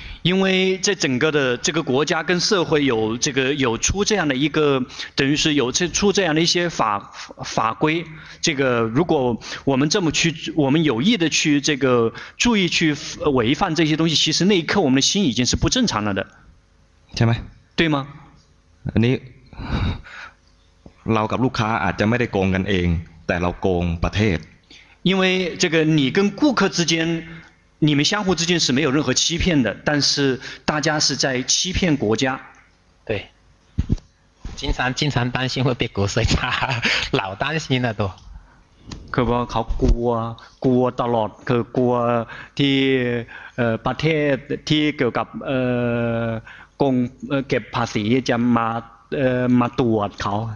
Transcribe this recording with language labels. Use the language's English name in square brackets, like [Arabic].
[Chinese] 因为在整个的这个国家跟社会有这个有出这样的一个等于是有出这样的一些法规这个如果我们这么去我们有意的去这个注意去违反这些东西其实那一刻我们的心已经是不正常了的对吗对吗你老跟顾客 [Thai] อาจจะไม่ได้โกงกันเองแต่เราโกงประเทศ [Chinese] 因为这个你跟顾客之间你们相互之间是没有任何欺骗的但是大家是在欺骗国家对经常担心会被国税查老担心了都可不可以过到了可过的把贴贴给个供给帕斯一家马杜瓦考